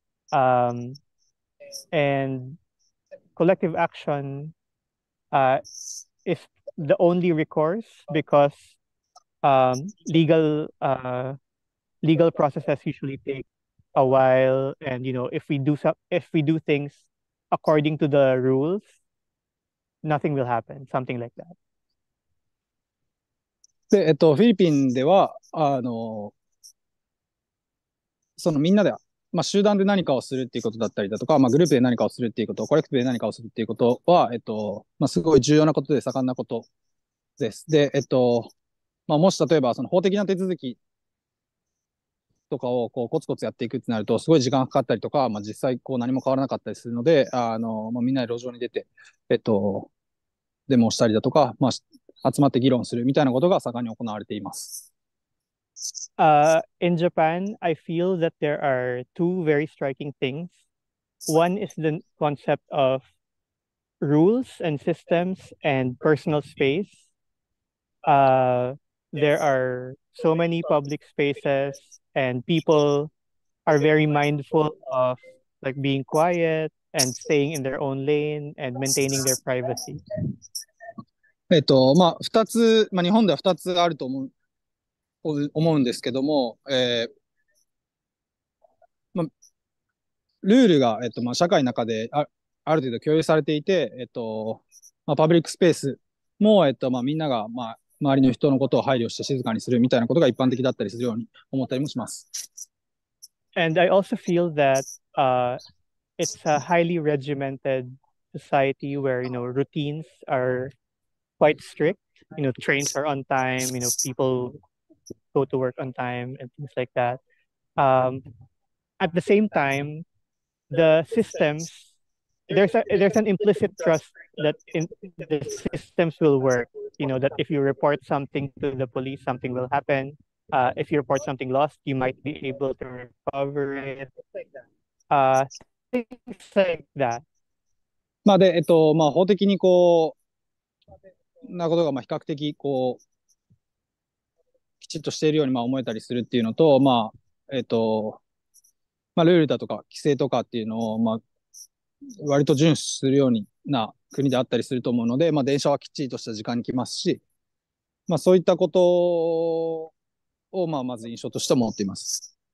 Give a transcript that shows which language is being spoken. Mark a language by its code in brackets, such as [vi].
[en] And collective action is the only recourse because legal processes usually take a while. And you know, if we do things according to the rules, nothing will happen, something like that. [ja] で、フィリピンでは、そのみんなで、まあ、集団で何かをするっていうことだったりだとか、まあ、グループで何かをするっていうこと、コレクティブで何かをするっていうことは、まあ、すごい重要なことで盛んなことです。で、まあ、もし例えば、その法的な手続きとかを、こう、コツコツやっていくってなると、すごい時間かかったりとか、まあ、実際、こう、何も変わらなかったりするので、まあ、みんなで路上に出て、デモをしたりだとか、まあ、集まって議論するみたいなことが盛んに行われています。 [en] In Japan, I feel that there are two very striking things. One is the concept of rules and systems and personal space. there are so many public spaces and people are very mindful of like being quiet and staying in their own lane and maintaining their privacy. [ja] まあ、2つ、まあ、日本では2つあると思うんですけども、まあ、ルールが、まあ、社会の中で ある程度共有されていて、まあ、パブリックスペースも、まあ、みんなが、まあ、周りの人のことを配慮して静かにするみたいなことが一般的だったりするように思ったりもします。 [en] And I also feel that, it's a highly regimented society where, you know, routines are quite strict. You know, trains are on time, you know, people go to work on time and things like that. At the same time, the systems, there's an implicit trust that in the systems will work. You know, that if you report something to the police, something will happen. If you report something lost, you might be able to recover it. Things like that. [ja] まあで、まあ法的にこう、なことがまあ比較的こう、きちっとしているようにまあ思えたりするっていうのと、まあ、まあルールだとか規制とかっていうのを、まあ、割と遵守するようにな国であったりすると思うので、まあ電車はきっちりとした時間に来ますし、まあそういったことを、まあまず印象として持っています。